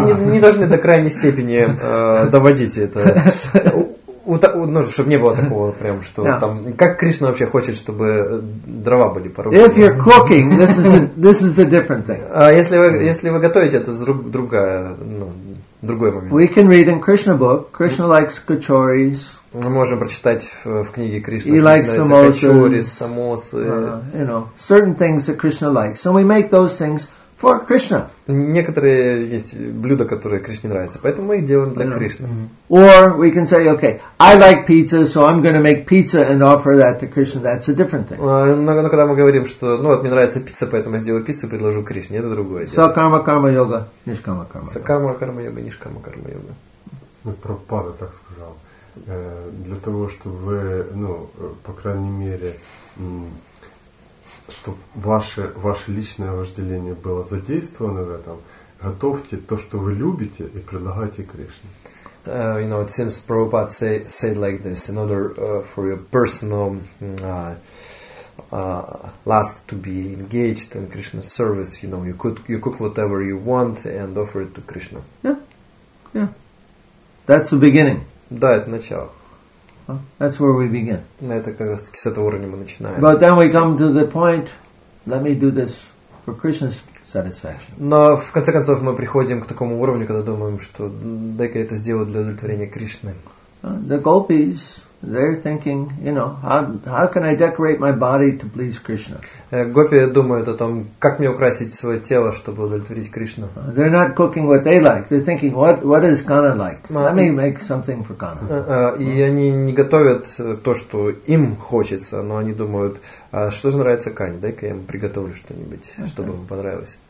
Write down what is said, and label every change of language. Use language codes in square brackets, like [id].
[ru] Не должны до крайней степени доводить это. Ну, чтобы не было такого прям, что now, там, как Кришна вообще хочет, чтобы дрова были порублены. [en] If you're cooking, this is a different thing. [ru] Если вы готовите, это другой момент. [en] We can read in Krishna book, Krishna likes kachoris. [ru] Мы можем прочитать в книге Кришна, [en] he likes samosas, [ru] kachoris, самосы. [en] Certain things that Krishna likes. So we make those things for Krishna. [ru] Некоторые есть блюда, которые Кришне нравятся, поэтому мы их делаем для Кришны. [en] Or we can say, okay, I like pizza, so I'm going to make pizza and offer that to Krishna. That's a different thing. [ru] Но когда мы говорим, что, ну вот мне нравится пицца, поэтому я сделаю пиццу и предложу Кришне, это другое дело. Сакарма карма йога, нишкама карма. Сакарма карма йога, нишкама карма йога. Ну, Прабхупада так сказал. для того, чтобы вы, ну, по крайней мере, чтобы ваше личное вожделение было задействовано в этом, готовьте то, что вы любите, и предлагайте Кришне. [en] You know, it seems Prabhupada said like this, in order for your personal lust to be engaged in Krishna's service, you know, you cook whatever you want and offer it to Krishna. Yeah, yeah. That's the beginning. [ru] Да, это начало. [en] That's where we begin. [ru] Это как раз таки с этого уровня мы начинаем. [en] But then we come to the point, let me do this for Krishna's satisfaction. [ru] Но в конце концов мы приходим к такому уровню, когда думаем, что дай-ка это сделаю для удовлетворения Кришны. [en] The gopis, they're thinking, you know, how can I decorate my body to please Krishna? [ru] Гопи думают о том, как мне украсить свое тело, чтобы удовлетворить Кришну. [en] They're not cooking what they like. They're thinking, what is Kana like? Let me make something for Kana. [ru] И они не готовят то, что им хочется, но они думают, что же нравится Кане, дай-ка я им приготовлю что-нибудь, okay, чтобы ему понравилось.